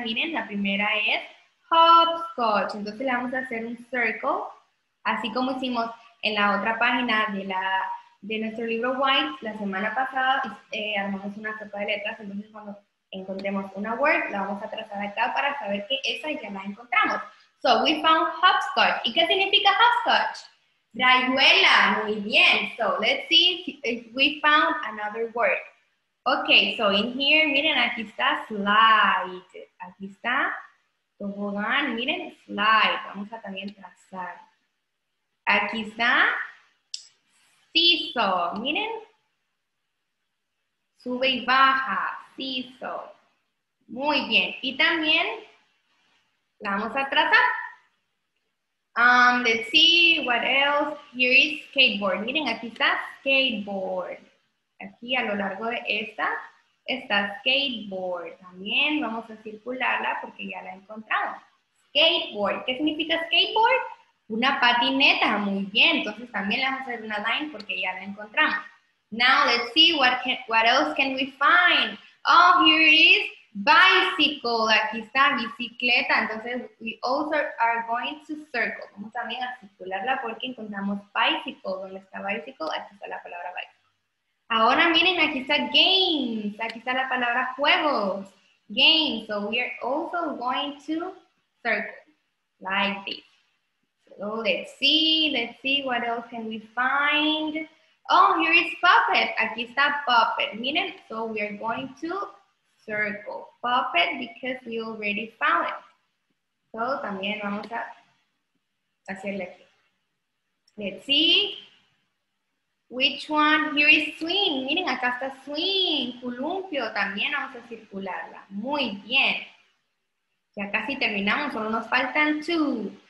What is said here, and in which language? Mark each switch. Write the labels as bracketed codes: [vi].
[es] Miren, la primera es hopscotch. Entonces le vamos a hacer un circle, así como hicimos en la otra página de la de nuestro libro White, la semana pasada armamos una sopa de letras. Entonces cuando encontremos una word, la vamos a trazar acá para saber que esa ya la encontramos. [en] So we found hopscotch. [es] ¿Y qué significa hopscotch? Rayuela, muy bien. [en] So let's see if we found another word. Okay, so in here, [es] miren, aquí está slide. Aquí está tobogán, miren, slide. Vamos a también trazar. Aquí está seesaw, miren, sube y baja, seesaw, muy bien, y también la vamos a trazar. [en] Let's see, what else, here is skateboard, [es] miren, aquí está skateboard, aquí a lo largo de esta, está skateboard, también vamos a circularla porque ya la encontramos. Skateboard, ¿qué significa skateboard? Una patineta, muy bien. Entonces también le vamos a hacer una line porque ya la encontramos. [en] Now let's see what else can we find. Oh, here is bicycle. [es] Aquí está bicicleta. Entonces [en] we also are going to circle. [es] Vamos también a circularla porque encontramos bicycle. ¿Dónde está bicycle? Aquí está la palabra bicycle. Ahora miren, aquí está games. Aquí está la palabra juegos. [en] Games. So we are also going to circle like this. So let's see, what else can we find? Oh, here is puppet, [es] aquí está puppet, miren. [en] So we are going to circle puppet because we already found it. [es] So también vamos a hacerle aquí. [en] Let's see, which one, here is swing, [es] miren, acá está swing, columpio, también vamos a circularla. Muy bien, ya casi terminamos, solo nos faltan 2.